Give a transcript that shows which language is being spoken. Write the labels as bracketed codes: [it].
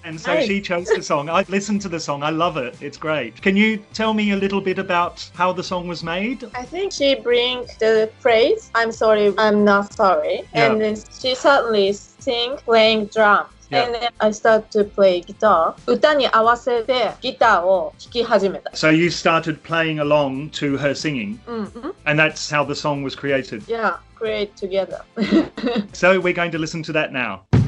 [en] And so nice. She chose the song. I listened to the song. I love it. It's great. Can you tell me a little bit about how the song was made? I think she brings the phrase, I'm sorry, I'm not sorry. Yeah. And then she suddenly sings playing drums. Yeah. And then I start to play guitar. [ja] 歌に合わせてギターを弾き始めた。 [en] So you started playing along to her singing. Mm-hmm. And that's how the song was created. Yeah, create together. So we're going to listen to that now.